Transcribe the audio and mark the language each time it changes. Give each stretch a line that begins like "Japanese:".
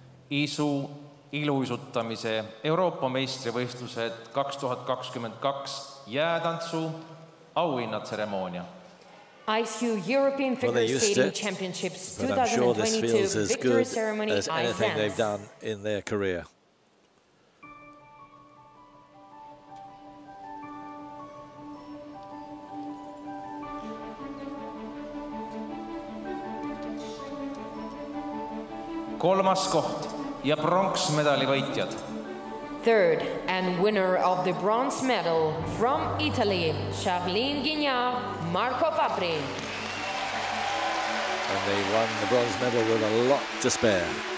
Estonian: ISU iluuisutamise Euroopa meistrivõistlused 2022 jäätantsu auhinnatseremoonia.
English: ISU European Figure Skating Championships 2022 Victory Ceremony. As anything they've done in their career.
Estonian: Kolmas koht ja pronksmedali võitjad.
English: Third and winner of the bronze medal from Italy, Charlene Guignard, Marco Fabri. And they won the bronze medal with a lot to spare.